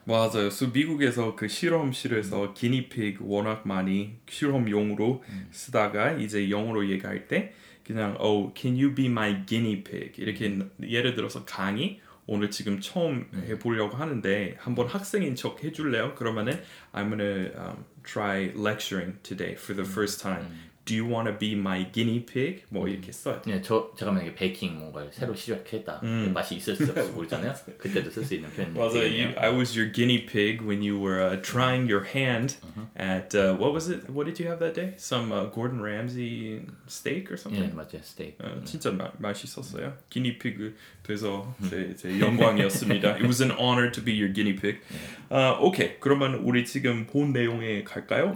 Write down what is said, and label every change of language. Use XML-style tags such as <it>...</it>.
<ko>맞아요. 그래서 미국에서 그 실험실에서 기니피그 워낙 많이 실험용으로 쓰다가 이제 영어로 얘기할 때 그냥</ko> <en>Oh, can you be my guinea pig?</en> <ko>이렇게 예를 들어서 강의 오늘 지금 처음 해보려고 하는데 한번 학생인 척 해줄래요? 그러면은</ko> <en>I'm gonna try lecturing today for the first time. Do you want to be my guinea pig?</en> <ko>뭐 이렇게 써요. 네, 저 제가 만약에 베이킹 뭔가를 새로 시작했다. 맛이 있을 수 없을 수 모르잖아요. 그때도 쓸 수 있는 표현이에요. 맞아요.</ko> <en>I was your guinea pig when you were trying your hand at what was it? What did you have that day? Some Gordon Ramsay steak or something?</en> <ko>네, 맞아요. 스테이크. 진짜 맛있었어요. Guinea pig 돼서 제 영광이었습니다.</ko> <en>It was an honor to be your guinea pig.</en> <ko>오케이. 그러면 우리 지금 본 내용에 갈까요?</ko>